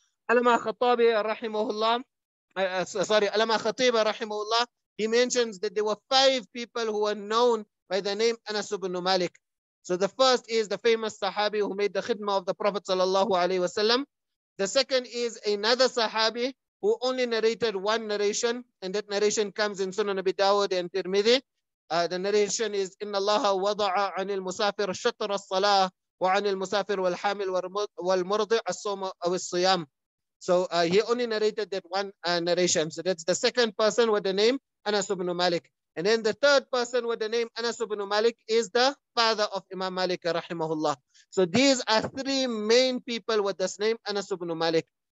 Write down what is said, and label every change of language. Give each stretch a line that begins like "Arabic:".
English: Alama Khatabi rahimahullah, Alama Khatiba rahimahullah, he mentions that there were five people who were known by the name Anas ibn Malik. So the first is the famous Sahabi who made the khidmah of the Prophet sallallahu alayhi wasallam. The second is another Sahabi who only narrated one narration, and that narration comes in Sunan Abi Dawud and Tirmidhi. The narration is
Arabic: إن الله وضع عن المسافر شطر الصلاة وعن المسافر والحامل والمرضع الصوم أو الصيام.
English: So he only narrated that one narration. So that's the second person with the name Anas ibn Malik. And then the third person with the name Anas ibn Malik is the father of Imam Malik rahimahullah. So these are three main people with this name Anas ibn Malik.